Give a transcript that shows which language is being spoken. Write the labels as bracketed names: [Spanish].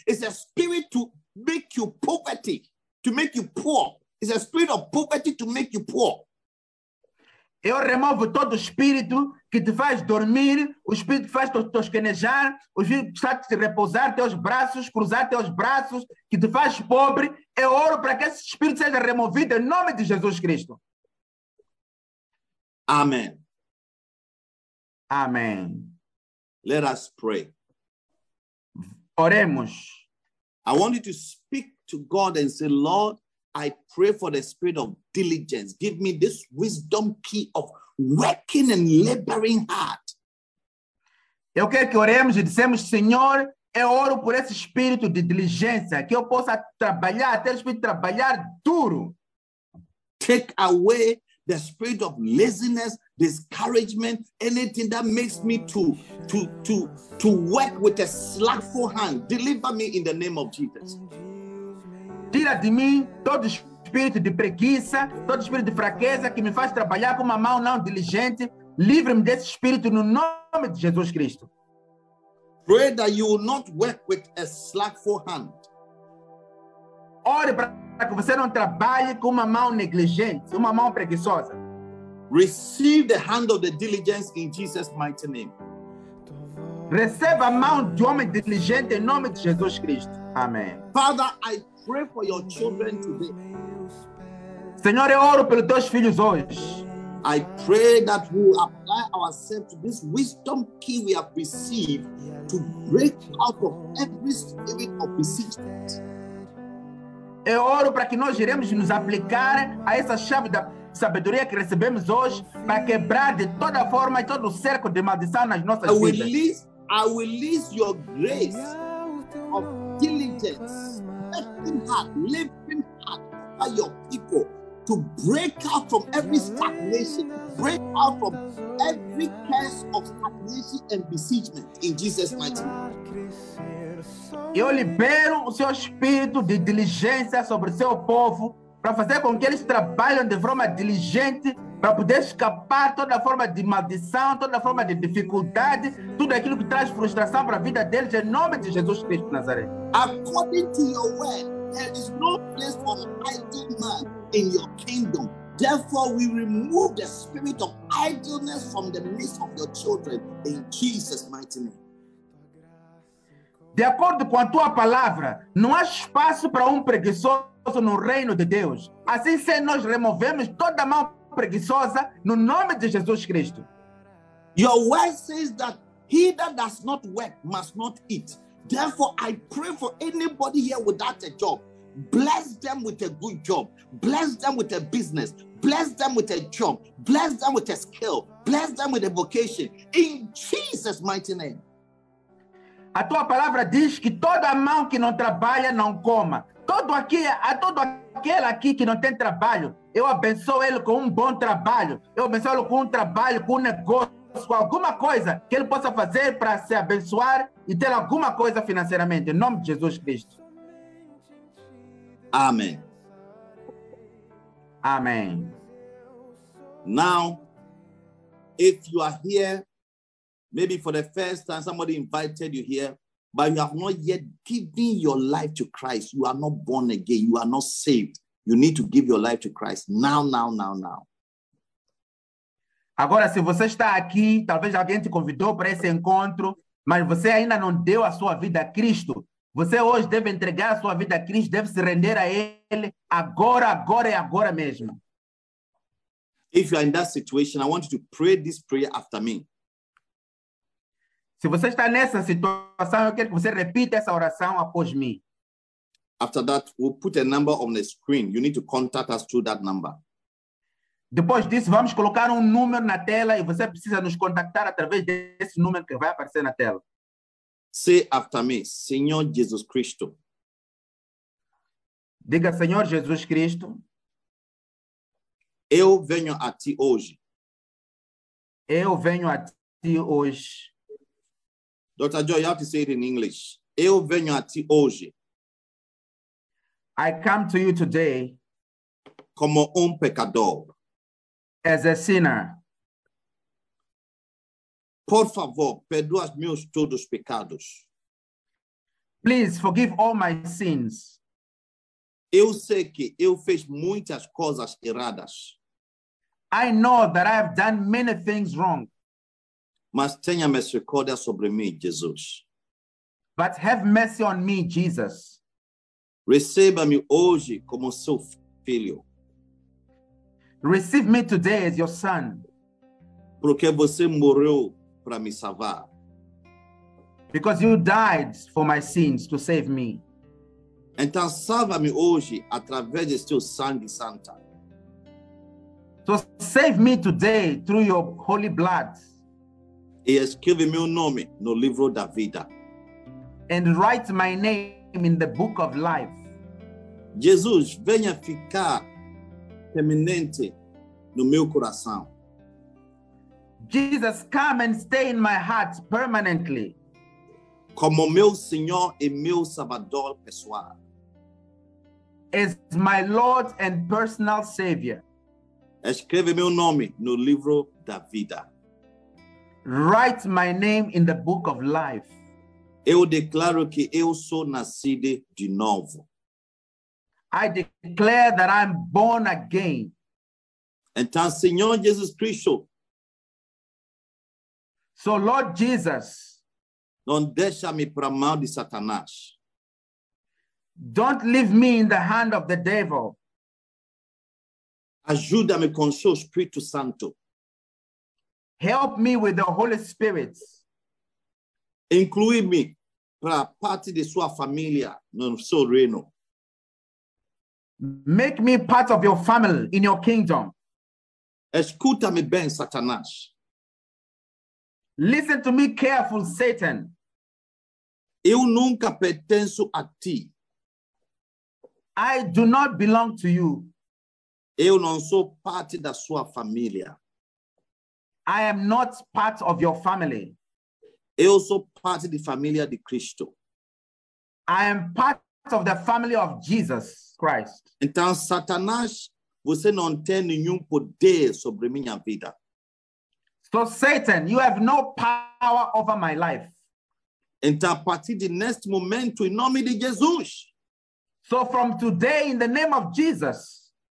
[English] It's a spirit to make you poverty, to make you poor. It's a spirit of poverty to make you poor. [Portuguese] Eu removo todo o espírito que te faz dormir, o espírito que faz te tosquenejar, o espírito que faz te repousar teus braços, cruzar teus braços, que te faz pobre. Eu oro para que esse espírito seja removido em nome de Jesus Cristo. Amém. Amém. [English] Let us pray. [Portuguese] Oremos. [English] I want you to speak to God and say, Lord, I pray for the spirit of diligence. Give me this wisdom key of working and laboring hard. [Portuguese] Eu quero que oremos e dissemos, Senhor, eu oro por esse espírito de diligência, que eu possa trabalhar, ter o espírito de trabalhar duro. [English] Take away the spirit of laziness, discouragement, anything that makes me to work with a slackful hand. Deliver me in the name of Jesus. [Portuguese] Tira de mim todo espírito de preguiça, todo espírito de fraqueza que me faz trabalhar com uma mão não diligente. Livre-me desse espírito no nome de Jesus Cristo. [English] Pray that you will not work with a slackful hand. [Portuguese] Ore para que você não trabalhe com uma mão negligente, uma mão preguiçosa. [English] Receive the hand of the diligence in Jesus' mighty name. [Portuguese] Receba a mão de homem diligente em nome de Jesus Cristo. Amém. [English] Father, I pray for your children today. [Portuguese] Senhor, eu oro pelos teus filhos hoje. [English] I pray that we will apply ourselves to this wisdom key we have received to break out of every spirit of resistance. [Portuguese] Eu oro para que nós iremos nos aplicar a essa chave da sabedoria que recebemos hoje para quebrar de toda forma e todo o cerco de maldição nas nossas vidas. [English] I will release your grace of diligence, working hard, living hard by your people to break out from every stagnation, break out from every curse of stagnation and besiegement in Jesus' mighty name. [Portuguese] Eu libero o seu espírito de diligência sobre o seu povo para fazer com que eles trabalhem de forma diligente para poder escapar toda forma de maldição, toda forma de dificuldade, tudo aquilo que traz frustração para a vida deles, em nome de Jesus Cristo de Nazaré. [English] According to your word, there is no place for an idle man in your kingdom. Therefore, we remove the spirit of idleness from the midst of your children in Jesus' mighty name. [Portuguese] De acordo com a tua palavra, não há espaço para preguiçoso no reino de Deus. Assim sendo, nós removemos toda mão preguiçosa no nome de Jesus Cristo. [English] Your word says that he that does not work must not eat. Therefore, I pray for anybody here without a job. Bless them with a good job. Bless them with a business. Bless them with a job. Bless them with a skill. Bless them with a vocation. In Jesus' mighty name. [Portuguese] A tua palavra diz que toda mão que não trabalha não coma. Todo aquele aqui que não tem trabalho, eu abençoo ele com um bom trabalho. Eu abençoo ele com um trabalho, com um negócio, com alguma coisa que ele possa fazer para se abençoar e ter alguma coisa financeiramente. Em nome de Jesus Cristo. Amém. Amém. [English] Now, if you are here, maybe for the first time somebody invited you here, but you have not yet given your life to Christ. You are not born again. You are not saved. You need to give your life to Christ now. [Portuguese] Agora, se você está aqui, talvez alguém te convidou para esse encontro, mas você ainda não deu a sua vida a Cristo. Você hoje deve entregar a sua vida a Cristo, deve se render a Ele agora e agora mesmo. [English] If you are in that situation, I want you to pray this prayer after me. [Portuguese] Se você está nessa situação, eu quero que você repita essa oração após mim. [English] After that, we'll put a number on the screen. You need to contact us through that number. [Portuguese] Depois disso, vamos colocar número na tela e você precisa nos contactar através desse número que vai aparecer na tela. [English] Say after me, [Portuguese] Senhor Jesus Cristo. Diga, Senhor Jesus Cristo. Eu venho a ti hoje. Eu venho a ti hoje. [English] Dr. Joy, you have to say it in English. [Portuguese] Eu venho a ti hoje. [English] I come to you today. [Portuguese] Como pecador. [English] As a sinner. [Portuguese] Por favor, perdoa meus todos pecados. [English] Please forgive all my sins. [Portuguese] Eu sei que eu fiz muitas coisas erradas. [English] I know that I have done many things wrong. [Portuguese] Mas tenha misericórdia sobre mim, Jesus. [English] But have mercy on me, Jesus. [Portuguese] Receba-me hoje como seu filho. [English] Receive me today as your son. [Portuguese] Porque você morreu para me salvar. [English] Because you died for my sins to save me. [Portuguese] Então salva-me hoje através do seu sangue santo. [English] So save me today through your holy blood. [Portuguese] E escreve meu nome no livro da vida. [English] And write my name in the book of life. [Portuguese] Jesus, venha ficar permanente no meu coração. [English] Jesus, come and stay in my heart permanently. [Portuguese] Como meu Senhor e meu Salvador pessoal. [English] As my Lord and personal Savior. [Portuguese] Escreve meu nome no livro da vida. [English] Write my name in the book of life. [Portuguese] Eu declaro que eu sou nascido de novo. [English] I declare that I'm born again. [Portuguese] Então, Senhor Jesus Cristo. [English] So, Lord Jesus. [Portuguese] Não deixa-me para a mão de Satanás. [English] Don't leave me in the hand of the devil. [Portuguese] Ajuda-me com o seu Espírito Santo. [English] Help me with the Holy Spirit. [Portuguese] Inclui-me para parte de sua família no seu reino. [English] Make me part of your family in your kingdom. [Portuguese] Escuta-me bem, Satanás. [English] Listen to me careful, Satan. [Portuguese] Eu nunca pertenço a ti. [English] I do not belong to you. [Portuguese] Eu não sou parte da sua família. [English] I am not part of your family. [Portuguese] Eu sou parte da família de Cristo. [English] I am part of the family of Jesus Christ. [Portuguese] Então, Satanás, você não tem nenhum poder sobre minha vida. [English] So, Satan, you have no power over my life. [Portuguese] Então, a partir de neste momento, em nome de Jesus. [English] So, from today, in the name of Jesus.